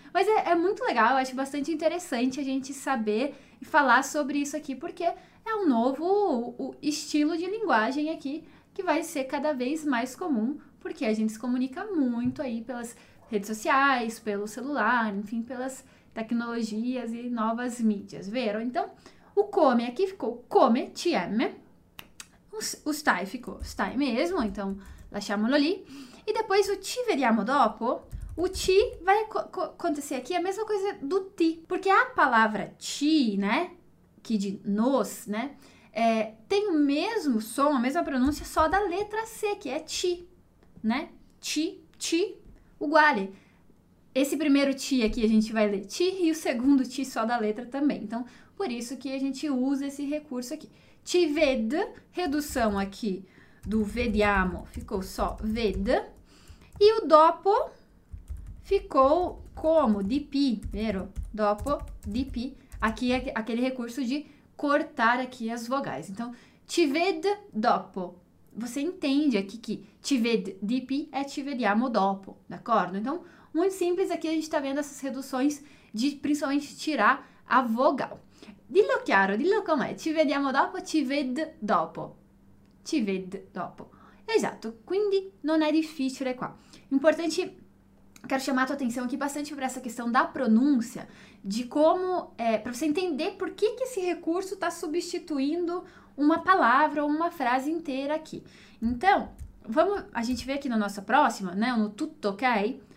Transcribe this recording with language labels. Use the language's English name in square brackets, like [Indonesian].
[Portuguese] Mas é muito legal, eu acho bastante interessante a gente saber e falar sobre isso aqui, porque é um novo o estilo de linguagem aqui que vai ser cada vez mais comum, porque a gente se comunica muito aí pelas redes sociais, pelo celular, enfim, pelas tecnologias e novas mídias, viram? Então, o come aqui ficou come, TM. O stai ficou stai mesmo, então, [Italian] lasciamolo lì. [Portuguese] E depois o ci vediamo dopo. O ti vai co acontecer aqui a mesma coisa do ti, porque a palavra ti, né? Que de nós, né? É, tem o mesmo som, a mesma pronúncia só da letra C, que é ti, né? [Italian] Ti, uguale. [Portuguese] Esse primeiro ti aqui a gente vai ler ti e o segundo ti só da letra também. Então, por isso que a gente usa esse recurso aqui. Ti ved, redução aqui do vediamo, ficou só ved. E o dopo ficou como? Di pi, vero? Dopo, di pi. Aqui é aquele recurso de cortar aqui as vogais. Então, ti ved dopo. Você entende aqui que ti ved dipi é ti vediamo dopo, d'accordo? Então, muito simples, aqui a gente está vendo essas reduções de principalmente tirar a vogal. [Italian] Dillo chiaro, dillo com'è. Ci vediamo dopo, ci ved dopo. Ci ved dopo. Esatto, quindi non è difficile qua. [Portuguese] Importante, quero chamar a tua atenção aqui bastante para essa questão da pronúncia, de como, para você entender por que que esse recurso está substituindo uma palavra ou uma frase inteira aqui. Então, vamos, a gente vê aqui na nossa próxima, né, no tutto, ok?